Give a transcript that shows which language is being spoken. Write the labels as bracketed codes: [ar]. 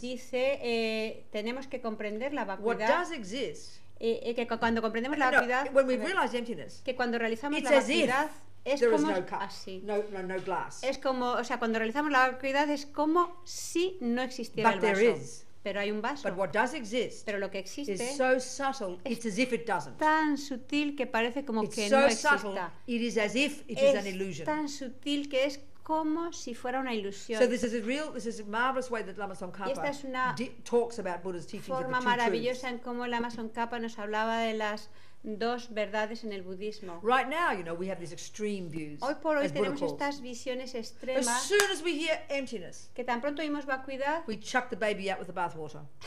[es] Dice, tenemos que comprender la vacuidad. [en] What does exist? [es] Y que cuando comprendemos la vacuidad que cuando realizamos la vacuidad es como así [en] no glass. [es] Es como o sea cuando realizamos la vacuidad es como si no existiera [en] but [es] el vaso [en] is. [es] Pero hay un vaso [en] but what does exist [es] pero lo que existe [en] is so subtle, it's as if it doesn't. [es] Es tan sutil que parece como [en] it's [es] que [en] so [es] no exista [en] subtle, it is as if it [es] es [en] is an illusion. [es] Tan sutil que es como si fuera una ilusión. [en] So this is a real, this is a marvelous way that Lama Tsongkhapa talks about Buddha's teachings. [es] Forma maravillosa en cómo Lama Tsongkhapa nos hablaba de las dos verdades en el budismo. [en] Right now, you know, we have these extreme views. [es] Hoy por hoy tenemos estas visiones extremas. [en] As soon as we hear emptiness, [es] que tan pronto oímos vacuidad, [en] we chuck the baby out with the bathwater.